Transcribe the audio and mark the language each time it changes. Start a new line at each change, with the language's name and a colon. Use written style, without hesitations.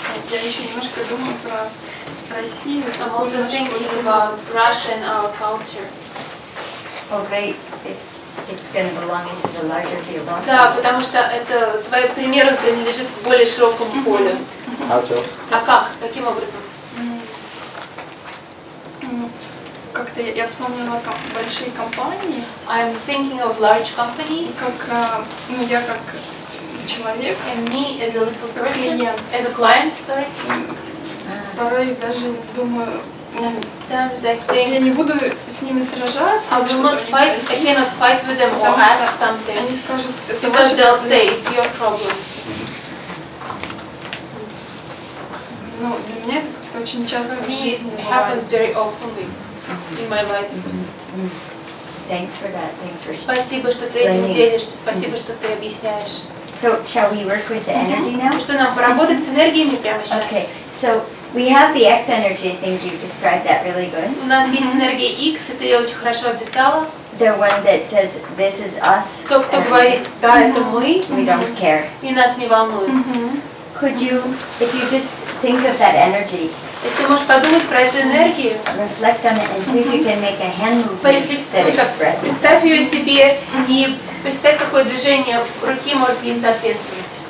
Russian: Я еще немножко думаю про Россию.
English: I'm also thinking about Russia and our culture. Oh, great. It's going to belong into the larger field.
Russian: Да, потому что это твой пример, он принадлежит в более широком поле. А как? Каким образом? Как-то я вспомнила большие компании.
English: I'm thinking of large companies.
Russian: Как, ну я как человек.
English: And me as a little person. As a client, sorry.
Russian: Порой даже думаю.
English: Sometimes I think
Russian: я не буду с ними сражаться.
English: I cannot fight with them or ask something.
Russian: Они скажут, это ваша проблема.
English: They'll say it's your problem.
Russian: Ну, для меня это очень часто в жизни.
English: It happens very often in my life. Thanks for that. Thanks for.
Russian: Спасибо, что ты этим делишься. Спасибо, что ты объясняешь.
English: So shall we work with the energy now?
Russian: Что нам поработать с энергиями прямо сейчас?
English: Okay, so. We have the X energy. I think you described that really good.
Russian: У нас есть энергия X. Это я очень хорошо описала.
English: The one that says this is us.
Russian: Тот, кто говорит, да, это мы.
English: We don't care.
Russian: И нас не волнует.
English: Could you, if you just think of that energy?
Russian: Если можешь подумать про эту энергию.
English: Reflect on it and see if you can make a hand movement that expresses.
Russian: Представь ее себе и представь, какое движение руки может ей соответствовать.